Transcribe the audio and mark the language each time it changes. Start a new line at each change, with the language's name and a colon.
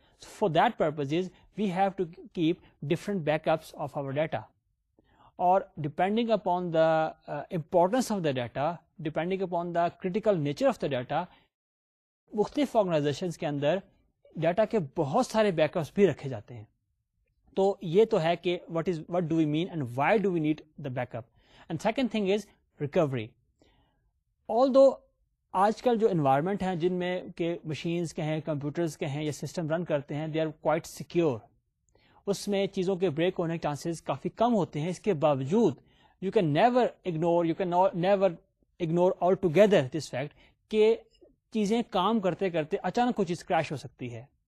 English: for that purpose we have to keep different back ups of our data, اور depending upon the importance of the data, depending upon the critical nature of the data,
Urdu: مختلف organization کے اندر data کے بہت سارے back ups بھی رکھے جاتے ہیں. تو یہ تو ہے کہ
English: What do we mean and why do we need the back up. And second thing is recovery.
Urdu: آل دو آج کل جو انوائرمنٹ ہیں جن میں کہ مشینز کہیں, کمپیوٹرز کہیں یا سسٹم رن کرتے ہیں,
English: they are quite secure,
Urdu: اس میں چیزوں کے بریک ہونے کے چانسز کافی کم ہوتے ہیں. اس کے باوجود
English: you can never ignore, you can never ignore altogether this fact
Urdu: کہ چیزیں کام کرتے کرتے اچانک کچھ چیز کریش ہو سکتی ہے,